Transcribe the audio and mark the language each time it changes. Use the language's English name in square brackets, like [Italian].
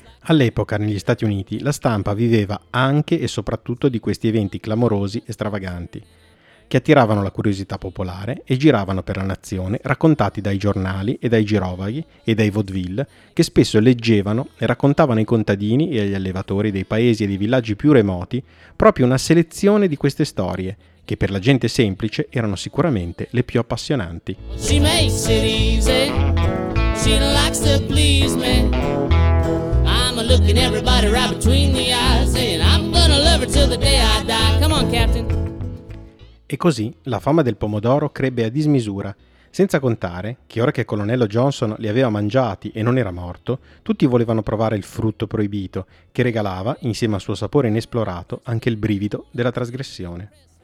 [Italian] All'epoca, negli Stati Uniti, la stampa viveva anche e soprattutto di questi eventi clamorosi e stravaganti, che attiravano la curiosità popolare e giravano per la nazione, raccontati dai giornali e dai girovaghi e dai vaudeville, che spesso leggevano e raccontavano ai contadini e agli allevatori dei paesi e dei villaggi più remoti proprio una selezione di queste storie, che per la gente semplice erano sicuramente le più appassionanti. [English] She makes it easy, she likes to please me. I'm looking everybody right between the eyes and I'm gonna love her till the day I die. Come on, Captain. [Italian] E così la fama del pomodoro crebbe a dismisura, senza contare che ora che il colonnello Johnson li aveva mangiati e non era morto, tutti volevano provare il frutto proibito, che regalava, insieme al suo sapore inesplorato, anche il brivido della trasgressione.